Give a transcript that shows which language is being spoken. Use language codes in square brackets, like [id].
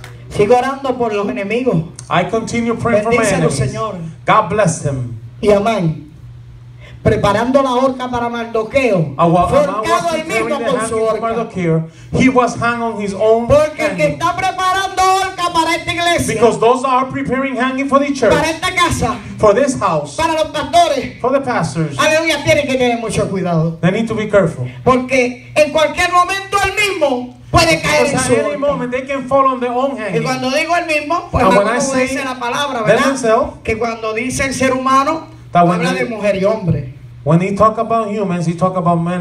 [es] Sigo orando por los enemigos. [en] I continue praying [es] bendícelo, [en] for my enemies. [es] Señor. [en] God bless them. [es] Y Amán, preparando la horca para Mardoqueo. Forcado él mismo con su horca. [en] He was hung on his own. [es] Porque el que está preparando horca para esta iglesia. [en] Because those are preparing hanging for the church. [es] Para esta casa. [en] For this house. [es] Para los pastores. [en] For the pastors. [es] Aleluya, tienen que tener mucho cuidado. [en] They need to be careful. [es] Porque en cualquier momento él mismo puede caer en su [en] any moment they can fall on their own hanging. [es] Y cuando digo el mismo, pues no como dice la palabra, ¿verdad? [en] Himself, [es] que cuando dice el ser humano, habla de mujer y hombre. [en] When he talk about humans, he talk about men